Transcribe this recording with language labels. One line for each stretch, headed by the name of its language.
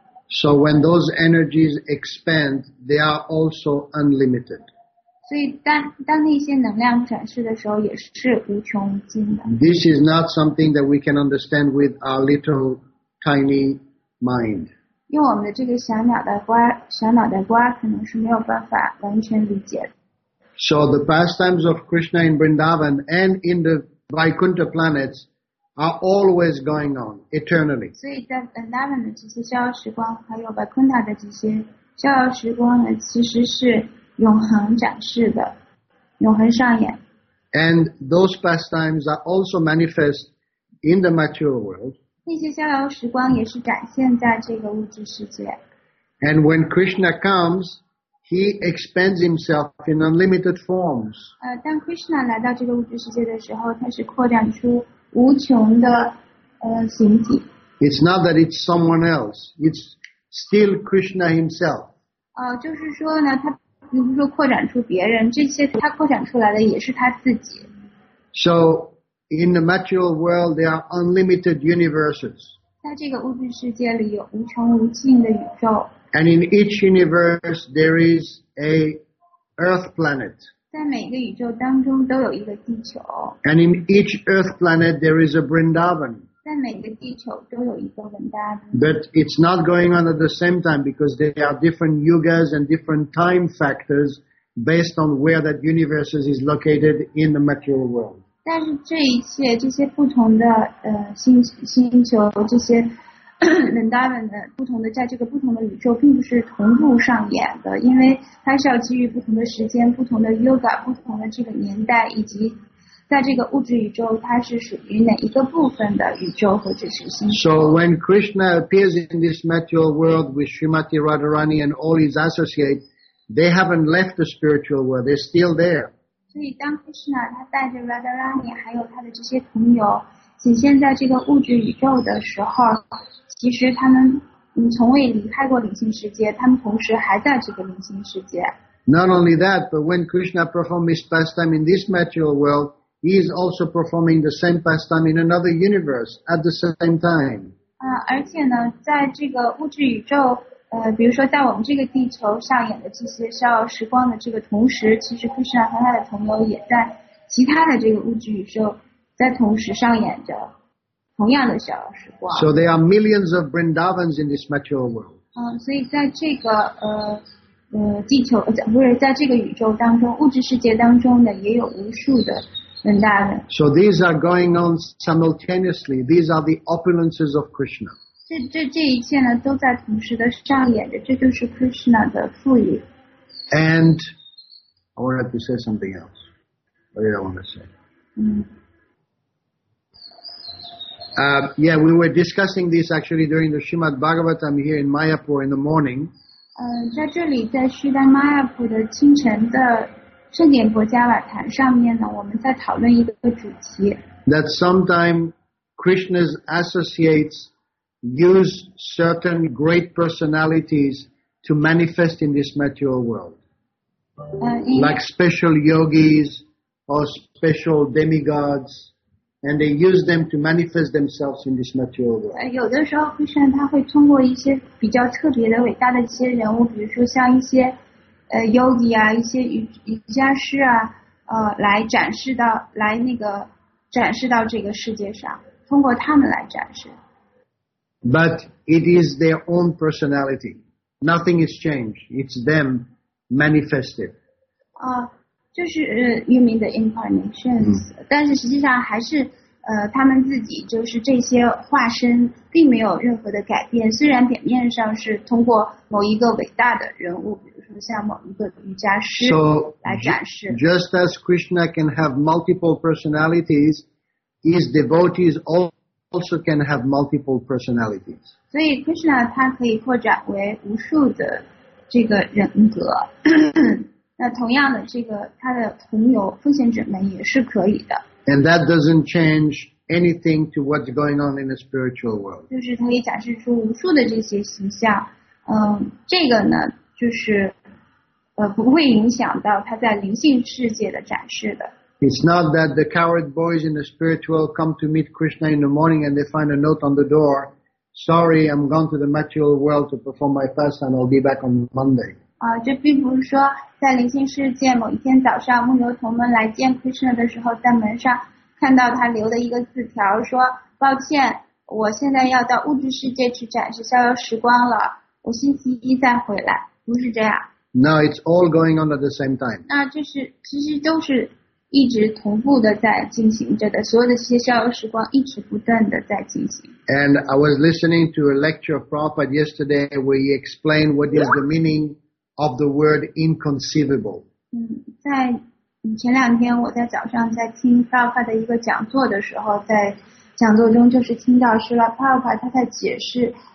English: So when those energies expand, they are also unlimited.
Chinese: 所以当那些能量展示的时候也是无穷无尽的。
English: This is not something that we can understand with our little tiny mind.
Chinese: 用我们的这个小脑袋瓜可能是没有办法完全理解的。
English: So the pastimes of Krishna in Vrindavan and in the Vaikuntha planets are always going on, eternally.
Chinese: 所以在 Vrindavan 的这些逍遥时光还有 Vaikuntha 的这些逍遥时光呢，其实是永恒展示的，永恒上演。
English: And those pastimes are also manifest in the material world.
Chinese: 那些逍遥时光也是展现在这个物质世界。
English: And when Krishna comes, he expands himself in unlimited forms.
Chinese: 当 Krishna 来到这个物质世界的时候，他是扩展出无穷的形体。
English: It's not that it's someone else. It's still Krishna himself.
Chinese: 就是说呢，他比如说扩展出别人，这些他扩展出来的也是他自己。
English: So in the material world, there are unlimited universes.
Chinese: 在这个物质世界里有无穷无尽的宇宙。
English: And in each universe, there is a Earth planet.
Chinese: 在每个宇宙当中都有一个地球。
English: And in each Earth planet, there is a Vrindavan.
Chinese: 在每个地球都有一个 Vrindavan.
English: But it's not going on at the same time because there are different yugas and different time factors based on where that universe is located in the material world.
Chinese: 但是这一切这些不同的星球这些Vrindavan 的不同的在这个不同的宇宙并不是同步上演的，因为它是要基于不同的时间，不同的 yuga， 不同的这个年代，以及在这个物质宇宙它是属于哪一个部分的宇宙和这些星球。
English: So when Krishna appears in this material world with Srimati Radharani and all his associates, they haven't left the spiritual world, they're still there.
Chinese: 所以当 Krishna 他带着 Radharani 还有他的这些朋友显现在这个物质宇宙的时候，其实他们从未离开过灵性世界，他们同时还在这个灵性世界。
English: Not only that, but when Krishna performs his pastime in this material worldHe is also performing the same pastime in another universe at the same time.
Chinese: 而且呢，在这个物质宇宙，比如说在我们这个地球上演的这些逍遥时光的这个同时，其实 Krishna 和他的朋友也在其他的这个物质宇宙在同时上演着同样的逍遥时光。
English: So there are millions of Vrindavans in this material world.
Chinese: 所以在这个地球不是在这个宇宙当中，物质世界当中呢，也有无数的。
English: So these are going on simultaneously. These are the opulences of Krishna.
Chinese: 这一切呢都在同时的上演着，这就是 Krishna 的富裕。
English: And I wanted to say something else. What did I want to say? Yeah, we were discussing this actually during the Srimad Bhagavatam here in Mayapur in the morning.
Chinese: 在这里在须达玛雅普的清晨的。圣典博加瓦坛上面呢，我们在讨论一个主题。
English: That sometimes Krishna's associates use certain great personalities to manifest in this material world, like special yogis or special demigods, and they use them to manifest themselves in this material world.
Chinese: 有的时候 ，Krishna 他会通过一些比较特别的、伟大的一些人物，比如说像一些。 Yogi 啊，一些瑜伽师啊，来展示到这个世界上，通过他们来展示。
English: But it is their own personality. Nothing is changed. It's them manifested.
Chinese: 就是
English: you mean the incarnations.、
Chinese: 但是实际上还是他们自己就是这些化身，并没有任何的改变。虽然表面上是通过某一个伟大的人物。
English: So, just as Krishna can have multiple personalities, his devotees also can have multiple personalities.
Chinese: So, Krishna 他可以扩展为无数的这个人格。那同样的，这个他的同友奉献者们也是可以的。
English: And that doesn't change anything to what's going on in the spiritual world.
Chinese: 就是他可以展示出无数的这些形象。这个呢，就是。不会影响到他在灵性世界的展示的。
English: It's not that the coward boys in the spiritual come to meet Krishna in the morning and they find a note on the door. Sorry, I'm gone to the material world to perform my fast and I'll be back on Monday.
Chinese: 这并不是说在灵性世界某一天早上牧牛童们来见 Krishna 的时候，在门上看到他留的一个字条说，抱歉，我现在要到物质世界去展示逍遥时光了，我星期一再回来，不是这样。
English: No, it's all going on at the same time.
Chinese: 那就是其实都是一直同步的在进行着的，所有的这些逍遥时光一直不断的在进行。
English: And I was listening to a lecture of Prabhupada yesterday where he explained what is the meaning of the word inconceivable.
Chinese: 在前两天我在早上在听 Prabhupada 的一个讲座的时候，在讲座中就是听到是了 Prabhupada 他在解释。